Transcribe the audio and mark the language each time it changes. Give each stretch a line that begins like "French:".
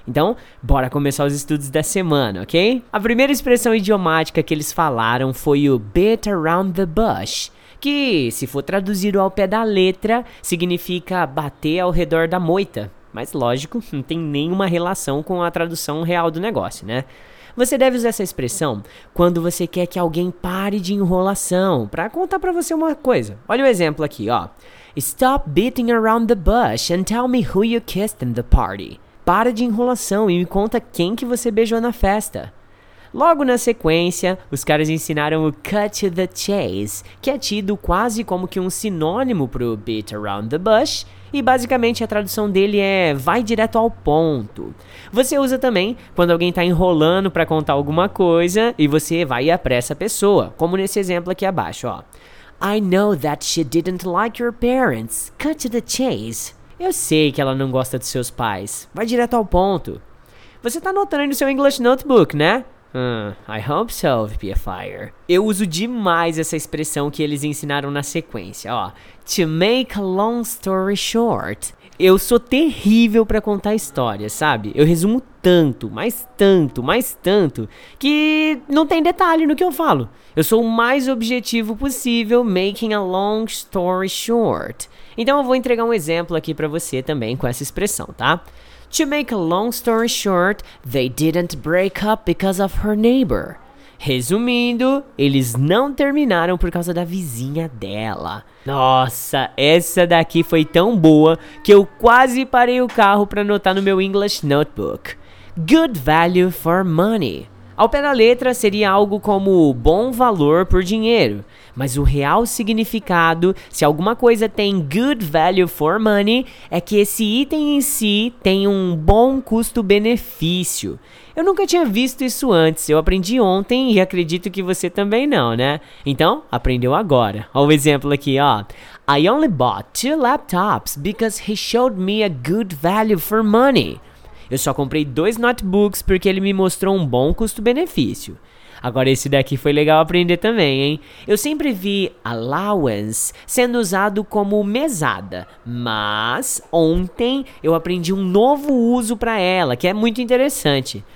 Portuguese: Então, bora começar os estudos da semana, ok? A primeira expressão idiomática que eles falaram foi o beat around the bush, que, se for traduzido ao pé da letra, significa bater ao redor da moita. Mas, lógico, não tem nenhuma relação com a tradução real do negócio, né? Você deve usar essa expressão quando você quer que alguém pare de enrolação, pra contar pra você uma coisa. Olha o exemplo aqui, ó.
English: Stop beating around the bush and tell me who you kissed in the party.
Portuguese: Para de enrolação e me conta quem que você beijou na festa. Logo na sequência, os caras ensinaram o cut to the chase, que é tido quase como que um sinônimo pro beat around the bush, e basicamente a tradução dele é vai direto ao ponto. Você usa também quando alguém tá enrolando pra contar alguma coisa e você vai e apressa a pessoa, como nesse exemplo aqui abaixo, ó.
English: I know that she didn't like your parents, cut to the chase.
Portuguese: Eu sei que ela não gosta dos seus pais, vai direto ao ponto. Você tá anotando aí no seu English Notebook, né?
English: I hope so,
Portuguese: VPFire. Eu uso demais essa expressão que eles ensinaram na sequência, ó.
English: To make a long story short.
Portuguese: Eu sou terrível pra contar histórias, sabe? Eu resumo tanto, mas tanto, mas tanto, que não tem detalhe no que eu falo. Eu sou o mais objetivo possível,
English: making a long story short.
Portuguese: Então eu vou entregar um exemplo aqui pra você também com essa expressão, tá?
English: To make a long story short, they didn't break up because of her neighbor.
Portuguese: Resumindo, eles não terminaram por causa da vizinha dela. Nossa, essa daqui foi tão boa que eu quase parei o carro pra anotar no meu English Notebook. Good value for money. Ao pé da letra, seria algo como bom valor por dinheiro. Mas o real significado, se alguma coisa tem good value for money, é que esse item em si tem um bom custo-benefício. Eu nunca tinha visto isso antes, eu aprendi ontem e acredito que você também não, né? Então, aprendeu agora. Olha o exemplo aqui, ó.
English: I only bought 2 laptops because he showed me a good value for money.
Portuguese: Eu só comprei 2 notebooks porque ele me mostrou um bom custo-benefício. Agora esse daqui foi legal aprender também, hein? Eu sempre vi allowance sendo usado como mesada, mas ontem eu aprendi um novo uso pra ela, que é muito interessante.